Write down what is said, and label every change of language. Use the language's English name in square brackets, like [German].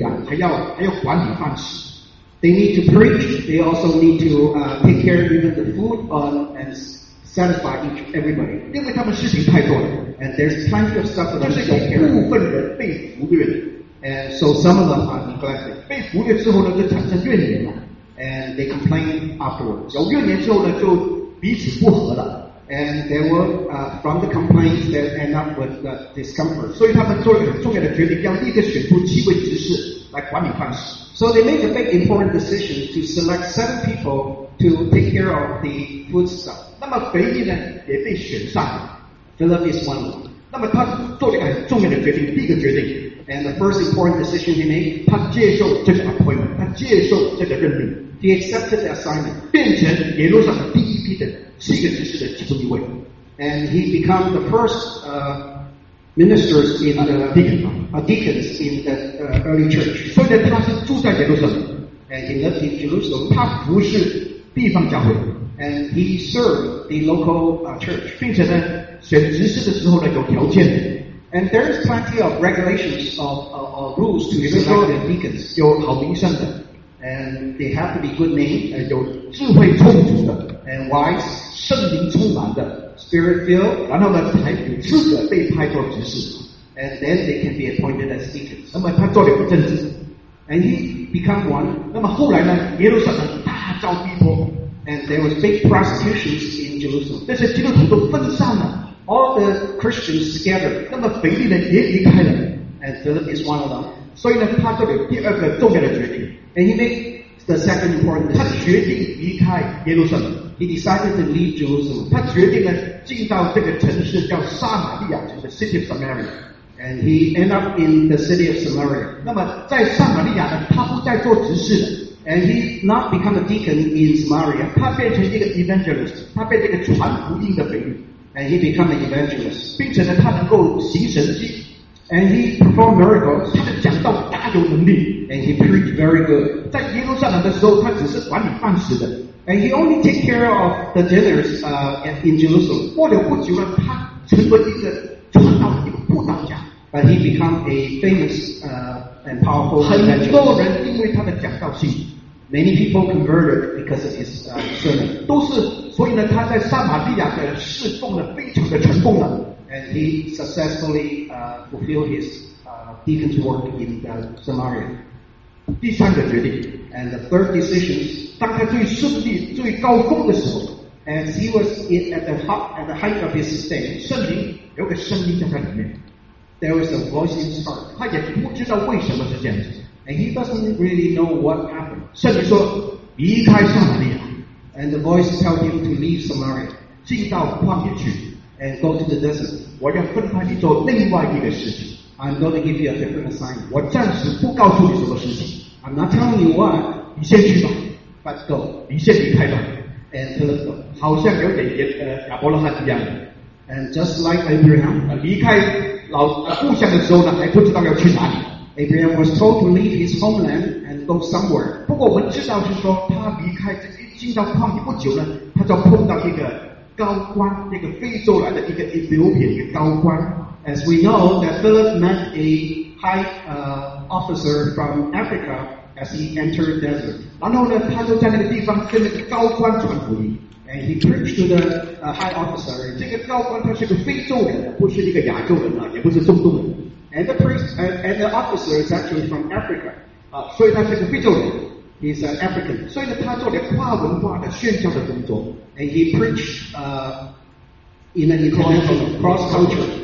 [Chinese] 就是又要讲道，又要看，又牧养，还要管理饭食。 [English] They need to preach. They also need to take care of even the food on and satisfy each everybody. [Chinese] 因为他们事情太多了, [English] and there's plenty of stuff that they take care of. [Chinese] 部分人被忽略了, [English] and so some of them are neglected. [Chinese] 被忽略之后呢，就产生怨言了, [English] and they complain afterwards. [Chinese] 有怨言之后呢，就彼此不和了, [English] and there were from the complaints that end up with the discomfort. [Chinese] 所以他们做了一个很重要的决定，要立一个选出7位执事。来管理饭食. [English] So they made a big important decision to select 7 people to take care of the food stuff. [Chinese] 那么肥力呢也被选上了. [English] Philip is one. [Chinese] 那么他做了一个很重要的决定，第一个决定. [English] And the first important decision he made, [Chinese] 他接受这个 appointment, 他接受这个任命. [English] He accepted the assignment, [Chinese] 变成耶路撒冷第一批的7个执事的其中一位. [English] And he became the first ministers in the deacons in the early church. [Chinese] 所以呢，他是住在耶路撒冷, [English] and he lived in Jerusalem. [Chinese] 他服侍地方教会, [English] and he served the local church. [Chinese] 并且呢，选执事的时候呢，有条件, [English] and there's plenty of regulations of rules to select the deacons. [Chinese] 有好名声的, [English] and they have to be good name. [Chinese] 有智慧充足的, [English] and wise, [Chinese] 圣灵充满的, [English] spirit filled. [Chinese] 然后呢，才有资格被派做执事. [English] And then they can be appointed as deacons. [Chinese] 那么他做了一个政治, [English] and he became one. [Chinese] 那么后来呢，耶路撒冷大遭逼迫, [English] and there was big prosecutions in Jerusalem. [Chinese] 但是基督徒都分散了, [English] all the Christians scattered. [Chinese] 那么腓力呢也离开了, [English] and Philip is one of them. [Chinese] 所以呢，他做了第二个重要的决定, [English] and he made the second important decision. [Chinese] 他决定离开耶路撒冷. [English] He decided to leave Jerusalem. [Chinese] 他决定呢进到这个城市叫撒玛利亚城的 [English] city of Samaria. And he ended up in the city of Samaria. [Chinese] 那么在撒玛利亚呢，他不再做执事了。 [English] And he not become a deacon in Samaria. [Chinese] 他变成一个 evangelist. 他变成一个传福音的腓力。 [English] And he become an evangelist. [Chinese] 并且呢，他能够行神迹。 [English] And he performed miracles. [Chinese] 他的讲道大有能力。 [English] And he preached very good. [Chinese] 在耶路撒冷的时候，他只是管理饭食的。 [English] And he only take care of the dinners, in Jerusalem. [Chinese] 过了不久了，他成为一个传道的一个布道家。 [English] But he became a famous, and powerful evangelist. [Chinese] 很多人因为他的讲道信。 [English] Many people converted because of his sermon. [Chinese] 都是，所以呢，他在撒玛利亚的侍奉呢，非常的成功了。 [English] And he successfully fulfilled his deacon's work in Samaria. [Chinese] 第三个决定 [English] ，and the third decision. [Chinese] 当他最顺利、最高峰的时候 [English] ，as he was in at the height of his stage, [Chinese] 圣灵有个声音在他里面 [English] ，there was a voice in his heart. [Chinese] 他也不知道为什么是这样子 [English] ，and he doesn't really know what happened. [Chinese] 圣灵说离开撒玛利亚 [English] ，and the voice tells him to leave Samaria, [Chinese] 进到旷野去。 [English] And go to the desert. [Chinese] 我要分派你做另外一个事情。 [English] I'm going to give you a different assignment. [Chinese] 我暂时不告诉你什么事情。 [English] I'm not telling you what. [Chinese] 你先去吧。 [English] Let's go. [Chinese] 你先离开吧。 [English] And let's go. [Chinese] 好像有点亚伯拉罕一样的。 [English] And just like Abraham. [Chinese] 离开老故乡的时候呢，还不知道要去哪里。 [English] Abraham was told to leave his homeland and go somewhere. [Chinese] 不过我们知道是说，他离开这一进到旷野不久呢，他就碰到一个。高官，那个非洲来的一个Ethiopian一个高官。 [English] As we know that Philip met a high officer from Africa as he entered the desert. [Chinese] 然后呢，他就在那个地方跟那个高官传福音。 [English] And he preached to the high officer. [Chinese] 这个高官他是个非洲人，不是一个亚洲人啊，也不是中东人。 [English] And the priest and the officer is actually from Africa. [Chinese] 所以他是个非洲人。 [English] He's an African. [Chinese] 所以呢，他做了跨文化的宣教的工作。 [English] And he preached in an international cross culture.